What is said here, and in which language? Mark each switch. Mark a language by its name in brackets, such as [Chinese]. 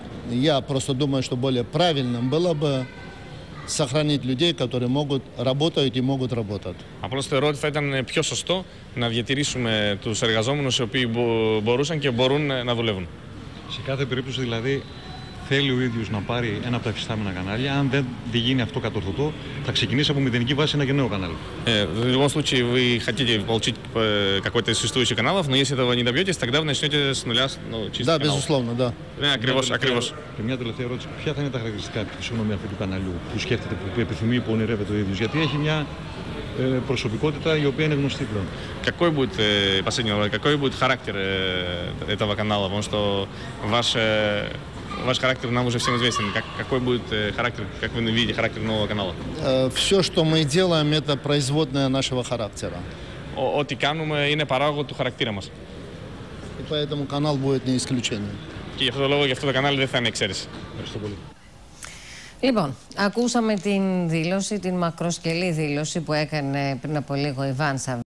[Russian] Я просто думаю, что более правильным было бы сохранить людей, которые могут работать и могут работать. [Greek] Απλώς θεωρώ ότι θα ήταν πιο σωστό να διατηρήσουμε τους εργαζόμενους οι οποίοι μπορούσαν και μπορούν να δουλεύουν. Σε κάθε περίπτωση δηλαδή θέλει ο ίδιος να πάρει ένα από τα υφιστάμενα κανάλια. Αν δεν γίνει αυτό κατορθωτό, θα ξεκινήσει από μηδενική βάση ένα νέο κανάλι. [Russian] В любом случае, вы хотите получить какой-то из существующих каналов, но если этого не добьетесь, тогда вы начнете с нуля, ну, чистый канал. Да, безусловно, да. [Greek] Ναι, ακριβώς, ακριβώς. Και μια τελευταία ερώτηση. Ποια θα είναι τα χαρακτηριστικά, συγγνώμη, αυτού του καναλιού που σκέφτεται, που επιθυμεί, που ονειρεύεται ο ίδιος? Γιατί έχει μια προσωπικότητα η οποία είναι γνωστή πλέον. [Russian] Какой будет, последний вопрос, какой будет характер этого канала, потому что ваш характер нам уже всем известен. Какой будет характер, как вы видите характер нового канала? Все, что мы делаем, это производное нашего характера. [Greek] Ό,τι κάνουμε είναι παράγωγο του χαρακτήρα μας. [Russian] И поэтому канал будет не исключением. [Greek] Και γι' αυτό το λόγο, γι' αυτό το κανάλι δεν θα είναι εξαίρεση. Ευχαριστώ πολύ. Λοιπόν, ακούσαμε την δήλωση, την μακροσκελή δήλωση που έκανε πριν από λίγο Ιβάν Σαββίδη.